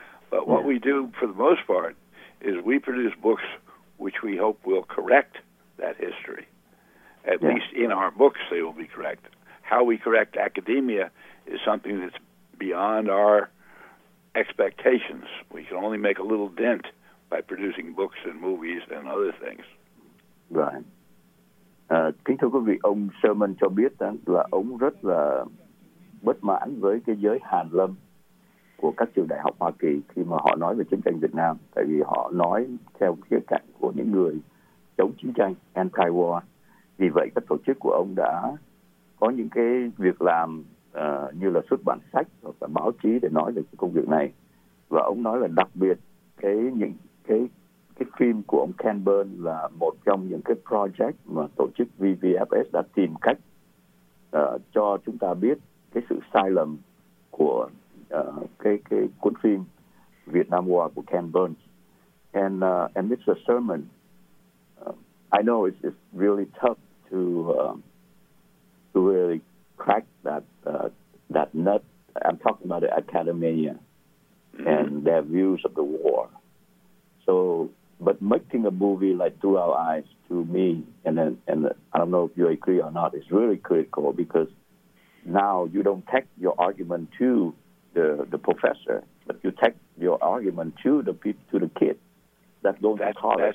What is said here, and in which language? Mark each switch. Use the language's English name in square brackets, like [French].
[English] But what we do for the most part is we produce books which we hope will correct that history. At least in our books they will be correct. How we correct academia is something that's beyond our expectations. We can only make a little dent by producing books and movies and other things. Right. [Vietnamese] Kính thưa quý vị, ông Sherman cho biết là ông rất là bất mãn với cái giới hàn lâm của các trường đại học Hoa Kỳ khi mà họ nói về chiến tranh Việt Nam, tại vì họ nói theo khía cạnh của những người chống chiến tranh, anti-war. Vì vậy, các tổ chức của ông đã có những cái việc làm như là xuất bản sách hoặc là báo chí để nói về cái công việc này. Và ông nói là đặc biệt cái phim của ông Ken Burns là một trong những cái project mà tổ chức VVFS đã tìm cách cho chúng ta biết cái sự sai lầm của cái cuốn phim Vietnam War của Ken Burns. [English] And Mr. Sherman, I know it's really tough to really crack that nut. I'm talking about the academia and their views of the war. So, but making a movie like Through Our Eyes, to me, and I don't know if you agree or not, is really critical, because now you don't take your argument to the professor, but you take your argument to the kid that goes to college.